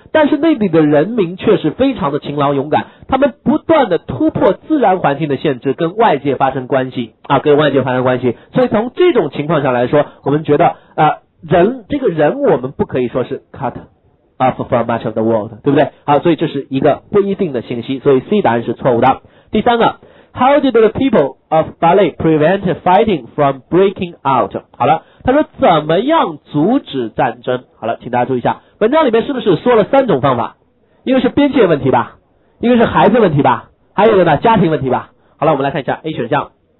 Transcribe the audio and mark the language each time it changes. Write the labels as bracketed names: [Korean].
[Chinese] 但是那里的人民却是非常的勤劳勇敢，他们不断的突破自然环境的限制，跟外界发生关系啊，跟外界发生关系。所以从这种情况上来说，我们觉得人这个人我们不可以说是 [English] cut off from much of the world， [Chinese] 对不对？好，所以这是一个不一定的信息，所以 C 答案是错误的。第三个 [English] ，How did the people of Bali prevent fighting from breaking out？ [Chinese] 好了，他说怎么样阻止战争？好了，请大家注意一下。文章里面是不是说了三种方法？一个是边界问题吧，一个是孩子问题吧，还有一个呢家庭问题吧。好了，我们来看一下 A 选项。